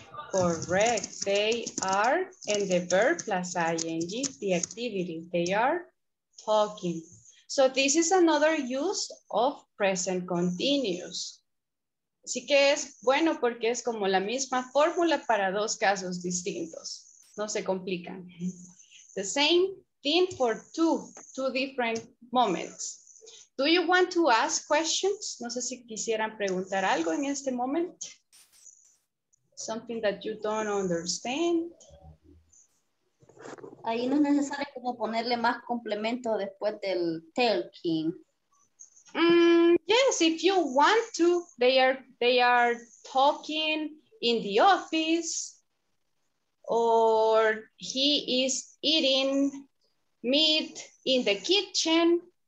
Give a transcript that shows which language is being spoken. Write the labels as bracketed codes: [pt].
[en] Correct, they are, and the verb plus ing, the activity, they are talking. So this is another use of present continuous. [es] Así que es bueno porque es como la misma fórmula para dos casos distintos. No se complican. [en] The same thing for two different moments. Do you want to ask questions? [es] No sé si quisieran preguntar algo en este moment. [en] Something that you don't understand. [es] Ahí no es necesario como ponerle más complemento después del talking. [en] Yes, if you want to, they are talking in the office, or he is eating meat in the kitchen.